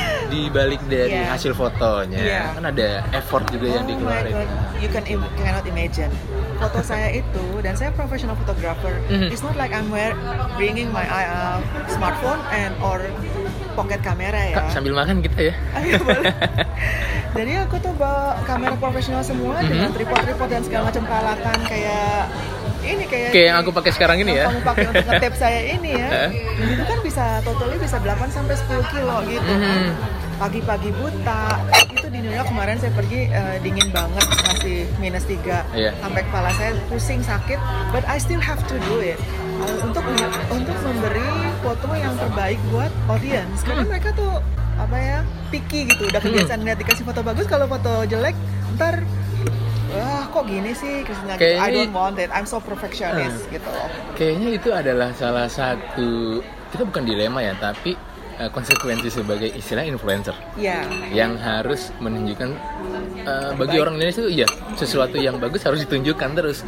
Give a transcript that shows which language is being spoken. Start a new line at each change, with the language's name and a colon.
Indonesian: Di balik dari hasil fotonya kan ada effort juga yang dikeluarin.
English: You cannot imagine.
Indonesian: Foto saya itu, dan saya professional photographer.
English: It's not like I'm bringing my smartphone and or pocket camera ya.
Indonesian: Kak, sambil makan gitu ya. Jadi aku tuh bawa kamera profesional semua dengan tripod-tripod dan segala macam peralatan kayak ini, kayak yang aku pakai sekarang ini ya. Kamu pakai untuk nge-tap saya ini ya. Itu kan bisa totalnya bisa 8 sampai 10 kilo gitu. Pagi-pagi buta. Itu di New York kemarin saya pergi dingin banget, masih -3. Sampai kepala saya pusing sakit,
English: but I still have to do it.
Indonesian: Untuk memberi foto yang terbaik buat audience. Karena mereka tuh apa ya, picky gitu. Udah kebiasaan lihat dikasih foto bagus, kalau foto jelek ntar kok gini sih Krisna, gitu.
English: I don't want it, I'm so perfectionist
Indonesian: gitu. Kayaknya itu adalah salah satu, kita bukan dilema ya, tapi konsekuensi sebagai istilah influencer yang harus menunjukkan bagi orang Indonesia itu sesuatu yang bagus harus ditunjukkan terus.